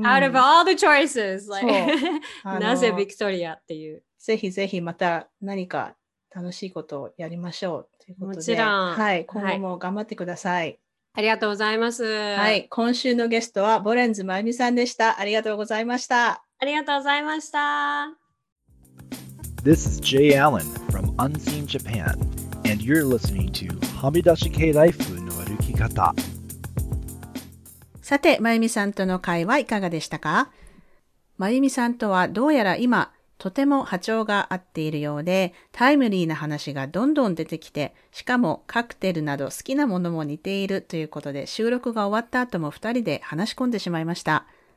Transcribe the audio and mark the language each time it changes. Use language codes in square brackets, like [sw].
[en] ん、Out of all the choices, like, [ja] なぜビクトリアっていう。ぜひぜひまた何か楽しいことをやりましょうということで。もちろん。はい、今後も頑張ってください。はい、ありがとうございます。はい、今週のゲストはボレンズ真由美さんでした。ありがとうございました。ありがとうございました。 [en] This is Jay Allen from Unseen Japan, and you're listening to はみ出し系ライフの歩き方。 [ja] さて、真由美さんとの会話いかがでしたか？真由美さんとはどうやら今、とても波長が合っているようで、タイムリーな話がどんどん出てきて、しかもカクテルなど好きなものも似ているということで、収録が終わった後も二人で話し込んでしまいました。